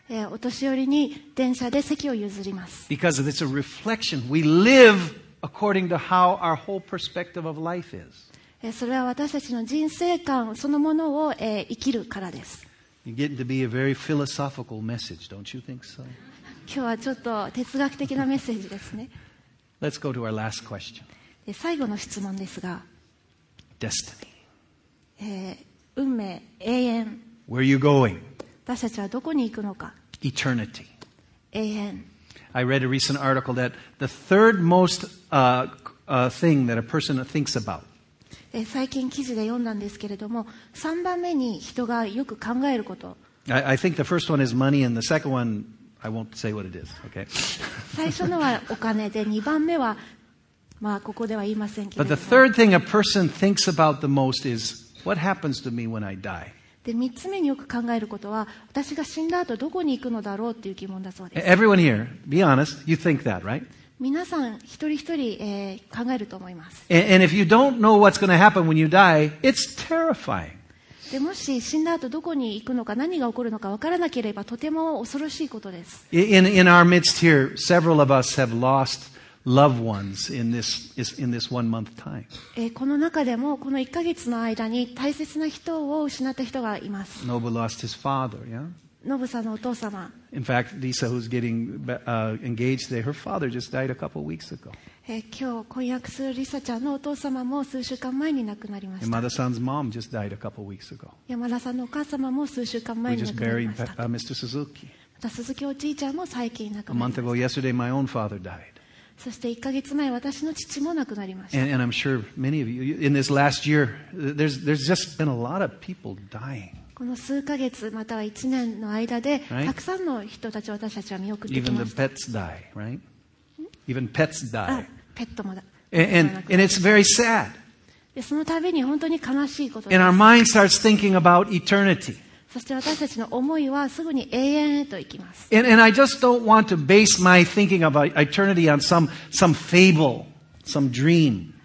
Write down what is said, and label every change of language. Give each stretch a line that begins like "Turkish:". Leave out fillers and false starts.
Japanese: お年寄りに電車で席を譲ります。
English: Because it's a reflection. We live according to how our whole perspective of life is.
Japanese: それは私たちの人生観そのものを、生きるからです。
English: You're getting to be a very philosophical message, don't you think so?
Japanese: 今日はちょっと哲学的なメッセージですね。
English: Let's go to our last question.
Japanese: 最後の質問ですが、
English: Destiny.
Japanese: 運命、永遠。
English: Where are you going?
Japanese: 私たちはどこに行くのか。
English: Eternity.
Japanese: 永遠。
English: I read a recent article that the third most thing that a person thinks about.
Japanese: 最近記事で読んだんですけれども、3番目に人がよく考えること。
English: I think the first one is money, and the second one, I won't say what it is. Okay.
Japanese: 最初のはお金で、2番目は、まあここでは言いませんけれども。
English: But the third thing a person thinks about the most is what happens to me when I die.
Japanese: で、3つ目によく考えることは、私が死んだ後どこに行くのだろうっていう疑問だそうです。
English: Everyone here, be honest, you think that, right?
Japanese: 皆さん一人一人、考えると思います。
English: And if you don't know what's going to happen when you die, it's terrifying.
Japanese: でもし死んだ後どこに行くのか何が起こるのか分からなければとても恐ろしいことです。
English: In our midst here, several of us have lost loved ones in this one month time.
Japanese: この中でもこの1ヶ月の間に大切な人を失った人がいます。
English: Nobu lost his father, yeah?
Japanese: ノブさんのお父様。
English: In fact, Lisa, who's getting engaged today, her father just died a couple weeks ago.
Japanese: 今日婚約するリサちゃんのお父様も数週間前に亡くなりました。
English: Yamada-san's mom just died a couple weeks ago.
Japanese: 山田さんのお母様も数週間前に亡くなりました。
English: We just buried Mr. Suzuki.
Japanese: また鈴木おじいちゃんも最近亡くなりました。
English: A month ago, yesterday, my own father died.
Japanese: そして1ヶ月前、私の父も亡くなりました。
English: And I'm sure many of you, in this last year, there's just been a lot of people dying.
Japanese: この数ヶ月または一年の間で、
English: right?
Japanese: たくさんの人たちを私たちは見送ってきました。
English: Even the pets die, right? Even pets die.
Japanese: ペットもだ。
English: And it's very sad.
Japanese: その度に本当に悲しいことです。
English: And our mind starts thinking about eternity.
Japanese: そして私たちの思いはすぐに永遠へと行きます。
English: And I just don't want to base my thinking about eternity on some fable, some dream.